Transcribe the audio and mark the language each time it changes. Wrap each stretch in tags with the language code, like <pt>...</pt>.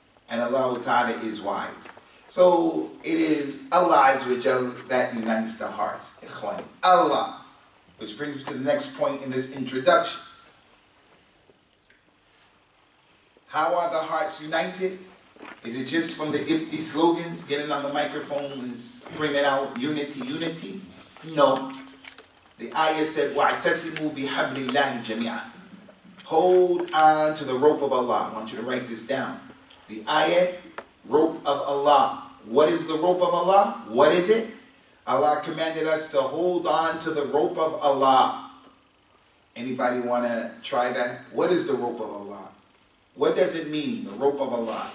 <en>And Allah Ta'ala is wise. So it is Allah that unites the hearts. Ikhwan. Allah. Which brings me to the next point in this introduction. How are the hearts united? Is it just from the ifti slogans, getting on the microphone and screaming out unity, unity? No. The ayah said,</en> <ar>وَاعْتَسِمُوا بِحَبْلِ اللَّهِ جَمِيعًا.</ar> <en>Hold on to the rope of Allah. I want you to write this down. The ayat, rope of Allah. What is the rope of Allah? What is it? Allah commanded us to hold on to the rope of Allah. Anybody want to try that? What is the rope of Allah? What does it mean, the rope of Allah?</en>